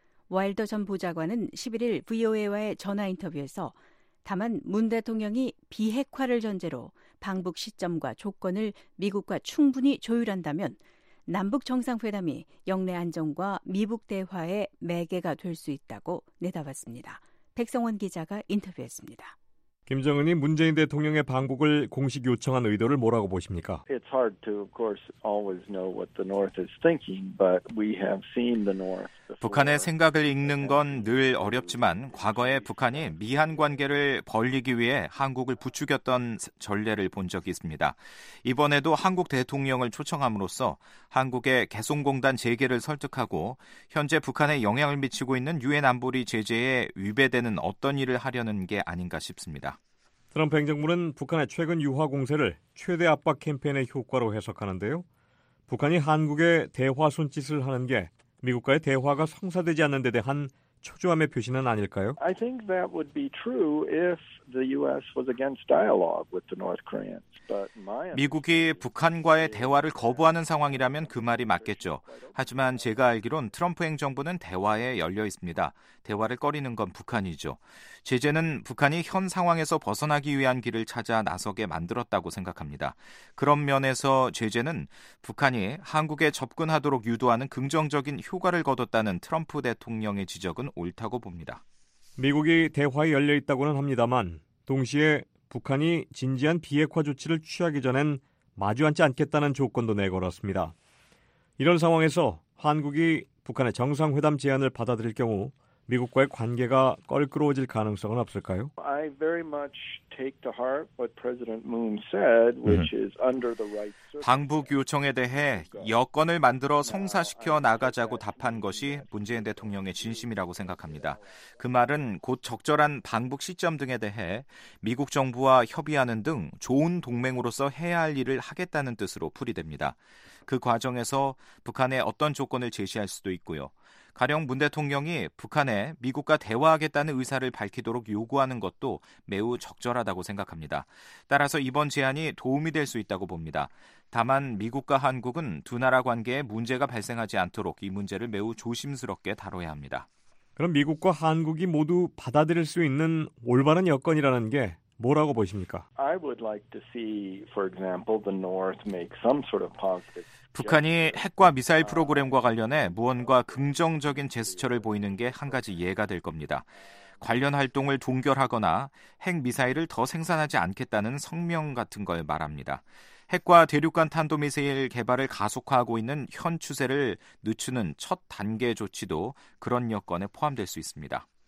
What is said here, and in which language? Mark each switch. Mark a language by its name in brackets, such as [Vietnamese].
[Korean] 와일더 전 보좌관은 11일 VOA와의 전화 인터뷰에서 다만 문 대통령이 비핵화를 전제로 방북 시점과 조건을 미국과 충분히 조율한다면 남북 정상회담이 영내 안정과 미북 대화의 매개가 될 수 있다고 내다봤습니다. 백성원 기자가 인터뷰했습니다. 김정은이 문재인 대통령의 방북을 공식 요청한 의도를 뭐라고 보십니까? [English] It's hard to, of course, always know what the North is thinking, but we have seen the North. [Korean] 북한의 생각을 읽는 건 늘 어렵지만 과거에 북한이 미한 관계를 벌리기 위해 한국을 부추겼던 전례를 본 적이 있습니다. 이번에도 한국 대통령을 초청함으로써 한국의 개성공단 재개를 설득하고 현재 북한에 영향을 미치고 있는 유엔 안보리 제재에 위배되는 어떤 일을 하려는 게 아닌가 싶습니다. 트럼프 행정부는 북한의 최근 유화 공세를 최대 압박 캠페인의 효과로 해석하는데요. 북한이 한국에 대화 손짓을 하는 게 미국과의 대화가 성사되지 않는 데 대한 초조함의 표시는 아닐까요? [English] I think that would be true if the US was against dialogue with the North Koreans. [Korean] 미국이 북한과의 대화를 거부하는 상황이라면 그 말이 맞겠죠. 하지만 제가 알기론 트럼프 행정부는 대화에 열려 있습니다. 대화를 꺼리는 건 북한이죠. 제재는 북한이 현 상황에서 벗어나기 위한 길을 찾아 나서게 만들었다고 생각합니다. 그런 면에서 제재는 북한이 한국에 접근하도록 유도하는 긍정적인 효과를 거뒀다는 트럼프 대통령의 지적은 옳다고 봅니다. 미국이 대화에 열려 있다고는 합니다만 동시에 북한이 진지한 비핵화 조치를 취하기 전엔 마주앉지 않겠다는 조건도 내걸었습니다. 이런 상황에서 한국이 북한의 정상회담 제안을 받아들일 경우 미국과의 관계가 껄끄러워질 가능성은 없을까요? [English] I very much take to heart what President Moon said, which is under the right. [Korean] 방북 요청에 대해 여건을 만들어 성사시켜 나가자고 답한 것이 문재인 대통령의 진심이라고 생각합니다. 그 말은 곧 적절한 방북 시점 등에 대해 미국 정부와 협의하는 등 좋은 동맹으로서 해야 할 일을 하겠다는 뜻으로 풀이됩니다. 그 과정에서 북한에 어떤 조건을 제시할 수도 있고요. 가령 문 대통령이 북한에 미국과 대화하겠다는 의사를 밝히도록 요구하는 것도 매우 적절하다고 생각합니다. 따라서 이번 제안이 도움이 될 수 있다고 봅니다. 다만 미국과 한국은 두 나라 관계에 문제가 발생하지 않도록 이 문제를 매우 조심스럽게 다뤄야 합니다. 그럼 미국과 한국이 모두 받아들일 수 있는 올바른 여건이라는 게 뭐라고 보십니까? [English] I would like to see, for example, the North make some sort of positive. [Korean] 북한이 핵과 미사일 프로그램과 관련해 무언가 긍정적인 제스처를 보이는 게 한 가지 예가 될 겁니다. 관련 활동을 동결하거나 핵미사일을 더 생산하지 않겠다는 성명 같은 걸 말합니다. 핵과 대륙간 탄도미사일 개발을 가속화하고 있는 현 추세를 늦추는 첫 단계 조치도 그런 여건에 포함될 수 있습니다.